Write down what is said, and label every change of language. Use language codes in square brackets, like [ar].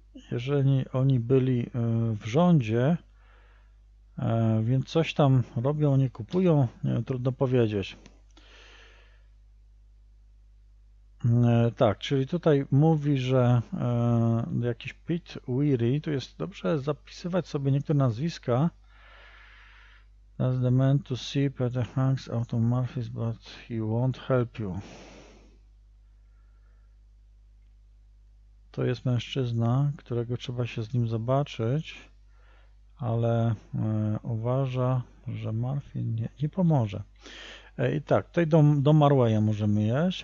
[pl] Jeżeli oni byli w rządzie, więc coś tam robią, nie kupują, nie wiem, trudno powiedzieć. Tak, czyli tutaj mówi, że jakiś Pete Weary, to jest dobrze zapisywać sobie niektóre nazwiska. [en] That's the man to see Peter Hanks out of Murphy's, but he won't help you. [pl] To jest mężczyzna, którego trzeba się z nim zobaczyć, ale uważa, że Murphy nie pomoże. I tak, tutaj do Marwaya możemy jeść.